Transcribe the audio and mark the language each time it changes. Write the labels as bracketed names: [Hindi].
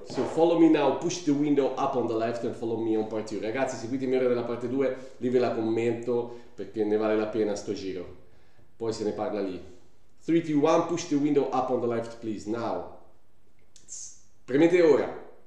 [English] So follow me now, push the window up on the left and follow me on part two. [Italian] Ragazzi, seguitemi ora nella parte 2, lì ve la commento perché ne vale la pena sto giro. Poi se ne parla lì. [English] 3, 2, 1, push the window up on the left, please, now. [Italian] Premete ora.